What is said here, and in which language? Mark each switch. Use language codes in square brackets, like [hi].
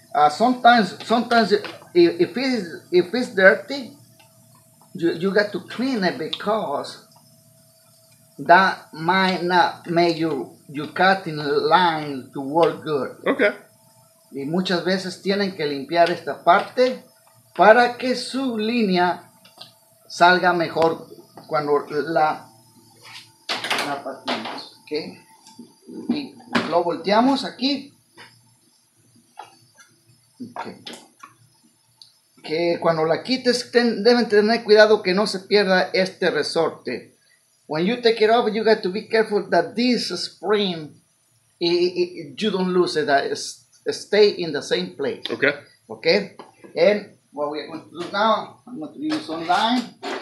[en] Sometimes if it's dirty, you got to clean it, because that might not make your cutting line to work good. Okay. [es] Y muchas veces tienen que limpiar esta parte para que su línea salga mejor cuando la partimos. Okay. Y lo volteamos aquí. Okay. Que cuando la quites, deben tener cuidado que no se pierda este resorte. [en] When you take it off, you got to be careful that this spring, you don't lose it, that stay in the same place. Okay. Okay. And what we are going to do now, I'm going to use some lime.